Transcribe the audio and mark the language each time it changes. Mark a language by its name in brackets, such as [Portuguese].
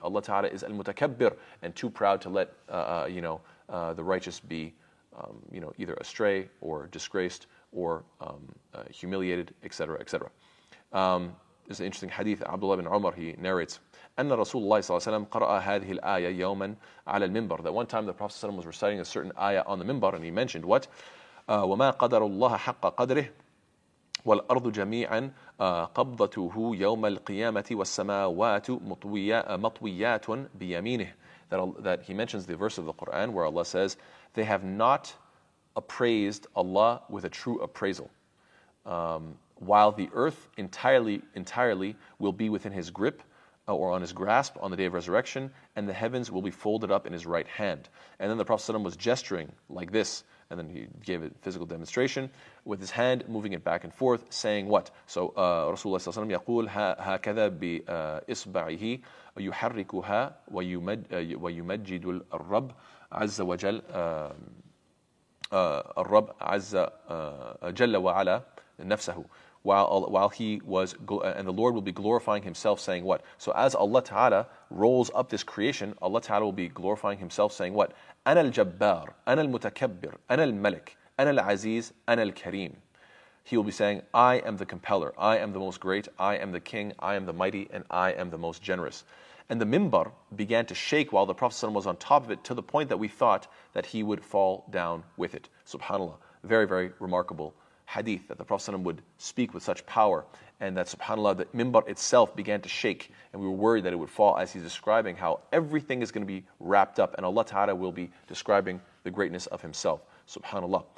[English] Allah ta'ala is al-mutakabbir, and too proud to let the righteous be either astray or disgraced or humiliated, etc., etc. There's an interesting hadith, Abdullah ibn Umar, he narrates, [Arabic] أن رسول الله صلى الله عليه وسلم قرأ هذه الآية يوما على المنبر. [English] That one time the Prophet ﷺ was reciting a certain ayah on the minbar, and he mentioned what? [Arabic] وما قدر الله حق قدره والأرض جميعا قبضته يوم القيامة والسماوات مطويات بيمينه. [English] That he mentions the verse of the Quran where Allah says, they have not appraised Allah with a true appraisal. While the earth entirely will be within His grip, or on His grasp on the day of resurrection, and the heavens will be folded up in His right hand. And then the Prophet ﷺ was gesturing like this, and then he gave a physical demonstration with his hand, moving it back and forth, saying what? [Arabic] So Rasulullah ﷺ يقول هكذا بإصبعه يحركها ويمجد الرب عز وجل الرب عز جل وعلا نفسه. [English] While he was, and the Lord will be glorifying Himself, saying what? So as Allah Ta'ala rolls up this creation, Allah Ta'ala will be glorifying Himself, saying what? [Arabic] أنا الجبار, أنا المتكبر, أنا الملك, أنا العزيز, أنا الكريم. [English] He will be saying, I am the compeller, I am the most great, I am the king, I am the mighty, and I am the most generous. And the minbar began to shake while the Prophet ﷺ was on top of it, to the point that we thought that he would fall down with it. SubhanAllah, very, very remarkable hadith, that the Prophet ﷺ would speak with such power, and that subhanAllah, the minbar itself began to shake, and we were worried that it would fall, as he's describing how everything is going to be wrapped up, and Allah Ta'ala will be describing the greatness of Himself, subhanAllah.